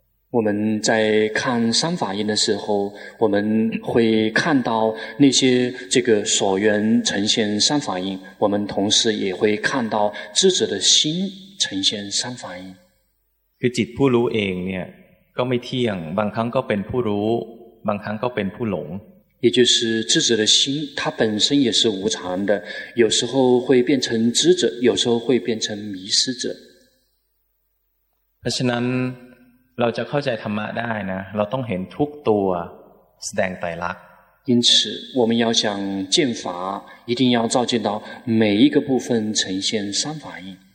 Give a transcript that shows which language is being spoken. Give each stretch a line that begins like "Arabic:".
Chinese: 我们在看三法印的时候我们会看到那些这个所缘呈现三法印我们同时也会看到智者的心呈现三法印
Thai: คือจิตผู้รู้เองเนี่ยก็ไม่เที่ยงบางครั้งก็เป็นผู้รู้บางครั้งก็เป็นผู้หลง
Chinese: 也就是智者的心它本身也是无常的有时候会变成智者有时候会变成迷失者
Thai: เพราะฉะนั้นเราจะเข้าใจธรรมะได้นะเราต้องเห็นทุกตัวแสดงไตรลักษณ์
Chinese: 因此我们要想见法一定要照见到每一个部分呈现三法印